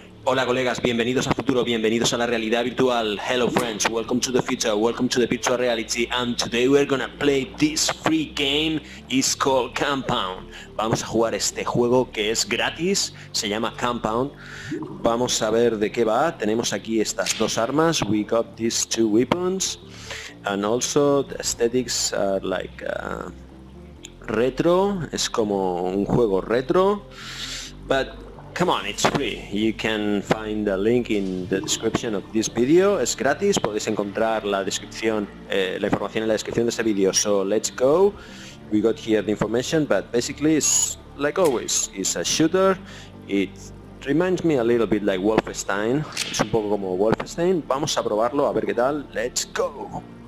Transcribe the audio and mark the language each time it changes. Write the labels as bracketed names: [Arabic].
[Spanish] Hola colegas, bienvenidos a futuro, bienvenidos a la realidad virtual. [English] Hello friends, welcome to the future, welcome to the virtual reality. And today we're gonna play this free game, it's called Compound. [Spanish] Vamos a jugar este juego que es gratis, se llama Compound. Vamos a ver de qué va. Tenemos aquí estas dos armas, [English] we got these two weapons. And also the aesthetics are like retro, [Spanish] es como un juego retro. [English] But come on, it's free. You can find the link in the description of this video. [Spanish] Es gratis. Podéis encontrar la descripción, la información en la descripción de este video. [English] So let's go. We got here the information, but basically it's like always. It's a shooter. It reminds me a little bit like Wolfenstein. [Spanish] Es un poco como Wolfenstein. Vamos a probarlo a ver qué tal. [English] Let's go.